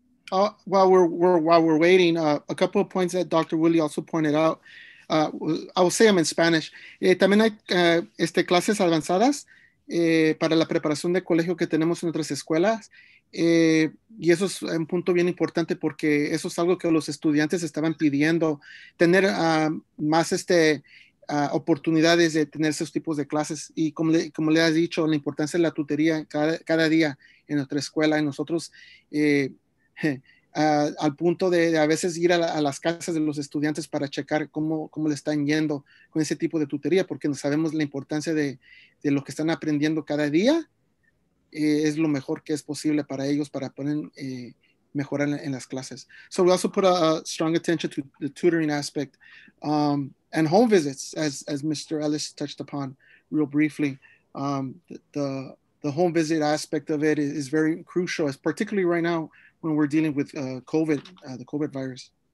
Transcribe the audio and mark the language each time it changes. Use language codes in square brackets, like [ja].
[en] While we're waiting, a couple of points that Dr. Willie also pointed out. I will say them in Spanish. [es] También hay clases avanzadas para la preparación de colegio que tenemos en nuestras escuelas. Y eso es un punto bien importante porque eso es algo que los estudiantes estaban pidiendo, tener más oportunidades de tener esos tipos de clases. Y como le has dicho, la importancia de la tutoría cada día en nuestra escuela, en nosotros, al punto de a veces ir a las casas de los estudiantes para checar cómo le están yendo con ese tipo de tutoría, porque sabemos la importancia de lo que están aprendiendo cada día. Es lo mejor que es posible para ellos para poder mejorar en las clases. [en] So we also put a strong attention to the tutoring aspect and home visits, as Mr. Ellis touched upon real briefly. The home visit aspect of it is very crucial, particularly right now when we're dealing with COVID, the COVID virus.